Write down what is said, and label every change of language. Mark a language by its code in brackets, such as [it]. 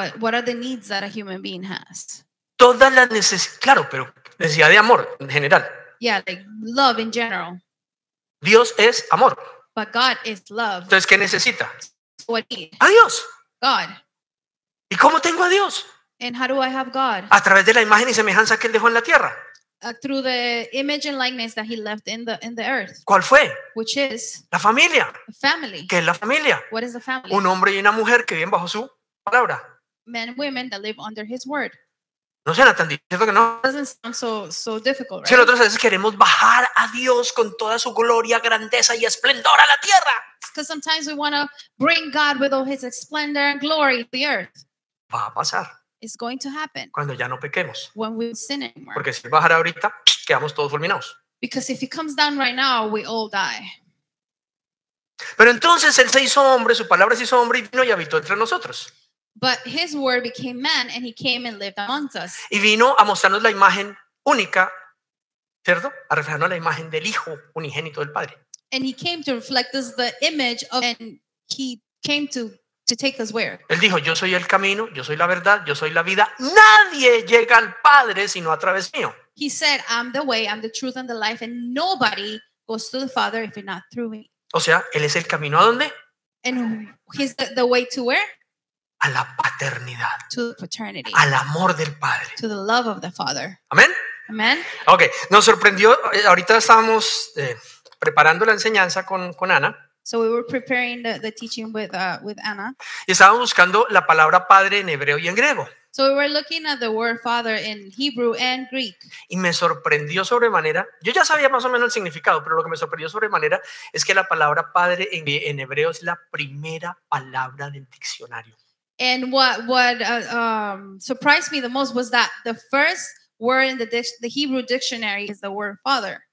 [en] What are the needs that a human being has? [es] Todas las necesidades, claro, pero necesidad de amor en general. [en] Yeah, like love in general. [es] Dios es amor. [en] But God is love. [es] Entonces, ¿qué necesita? [en] What need? [es] A Dios. [en] God. [es] ¿Y cómo tengo a Dios? [en] And how do I have God? [es] A través de la imagen y semejanza que Él dejó en la tierra. [en] Through the image and likeness that he left in the earth. [es] ¿Cuál fue? [en] Which is? [es] La familia. [en] The family. [es] ¿Qué es la familia? [en] What is the family? [es] Un hombre y una mujer que viven bajo su palabra. [en] Men and women that live under his word. [es] No suena tan difícil, ¿cierto que no? [en] It doesn't sound so difficult, right? [es] Si nosotros a veces queremos bajar a Dios con toda su gloria, grandeza y esplendor a la tierra. [en] Because sometimes we want to bring God with all his splendor and glory to the earth. [es] Va a pasar. [en] It's going to happen. [es] Cuando ya no pequemos. [en] When we sin anymore. [es] Porque si bajara ahorita, quedamos todos fulminados. [en] Because if he comes down right now, we all die. [es] Pero entonces él se hizo hombre, su palabra se hizo hombre y vino y habitó entre nosotros. [en] But his word became man and he came and lived amongst us. [es] Y vino a mostrarnos la imagen única, ¿cierto? A reflejarnos la imagen del Hijo unigénito del Padre. [en] And he came to reflect us the image of, and he came to take us where? [es] Él dijo, yo soy el camino, yo soy la verdad, yo soy la vida. Nadie llega al Padre sino a través mío. [en] He said, I'm the way, I'm the truth and the life, and nobody goes to the Father if not through me. [es] O sea, él es el camino ¿a dónde? [en] And he's the way to where? [es] A la paternidad. [en] To the paternity. [es] Al amor del Padre. [en] To the love of the Father. [es] Amén. [en] Amen. [es] Okay, nos sorprendió, ahorita estábamos preparando la enseñanza con Ana. [en] So we were preparing the teaching with Anna. [es] Y estábamos buscando la palabra padre en hebreo y en griego. [en] So we were looking at the word father in Hebrew and Greek. [es] Y me sorprendió sobremanera. Yo ya sabía más o menos el significado, pero lo que me sorprendió sobremanera es que la palabra padre en hebreo es la primera palabra del diccionario. [en] And what surprised me the most was that the first word in the Hebrew dictionary is the word father.